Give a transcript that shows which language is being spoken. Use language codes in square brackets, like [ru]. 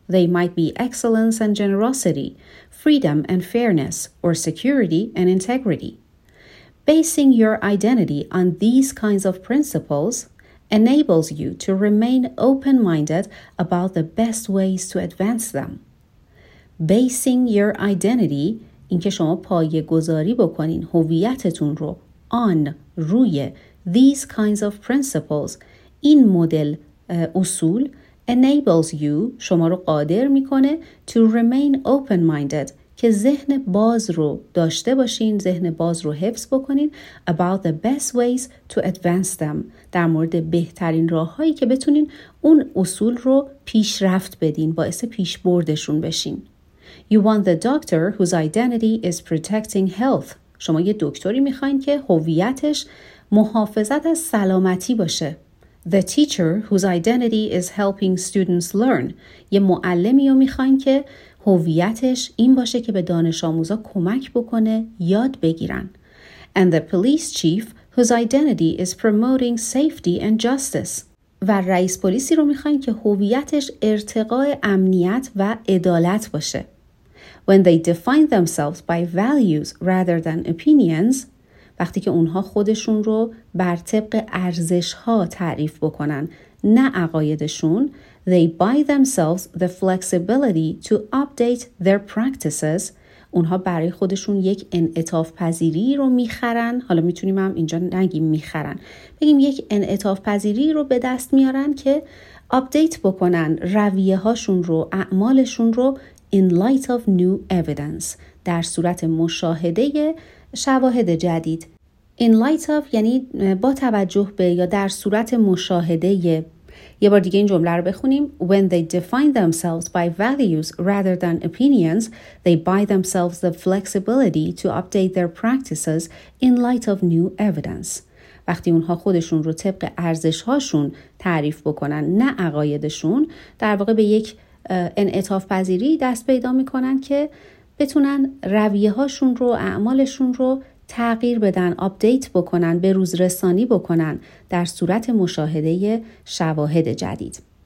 [en] They might be excellence and generosity, freedom and fairness, or security and integrity. Basing your identity on these kinds of principles enables you to remain open-minded about the best ways to advance them. Basing your identity, [fa] اینکه شما پایه گذاری بکنین هویتتون رو [en] on, [fa] روی [en] these kinds of principles, [fa] این مدل اصول [en] enables you, [fa] شما رو قادر میکنه [en] to remain open-minded, [fa] که ذهن باز رو داشته باشین، ذهن باز رو حفظ بکنین [en] about the best ways to advance them, [fa] در مورد بهترین راه هایی که بتونین اون اصول رو پیشرفت بدین، باعث پیش بردشون بشین. [en] You want the doctor whose identity is protecting health. [fa] شما یه دکتری میخواین که هویتش محافظت از سلامتی باشه. [en] The teacher whose identity is helping students learn. [fa] یه معلمی رو میخواین که هویتش این باشه که به دانش آموزا کمک بکنه یاد بگیرن. [en] And the police chief whose identity is promoting safety and justice. [fa] و رئیس پلیسی رو میخواین که هویتش ارتقای امنیت و عدالت باشه. [en] When they define themselves by values rather than opinions, [fa] وقتی که اونها خودشون رو بر طبق ارزش‌ها تعریف بکنن نه عقایدشون, [en] they buy themselves the flexibility to update their practices. [fa] اونها برای خودشون یک انعطاف پذیری رو میخرن. حالا میتونیم هم اینجا نگیم میخرن, بگیم یک انعطاف پذیری رو به دست میارن که update بکنن رویه هاشون رو, اعمالشون رو [en] in light of new evidence, [fa] در صورت مشاهده شواهد جدید. [en] In light of [fa] یعنی با توجه به یا در صورت مشاهده. یه بار دیگه این جمله رو بخونیم. [en] When they define themselves by values rather than opinions, they buy themselves the flexibility to update their practices in light of new evidence. [fa] وقتی اونها خودشون رو طبق ارزش‌هاشون تعریف بکنن نه عقایدشون, در واقع به یک انعطاف پذیری دست پیدا میکنن که بتونن رویه هاشون رو, اعمالشون رو تغییر بدن, آپدیت بکنن, به روز رسانی بکنن در صورت مشاهده شواهد جدید.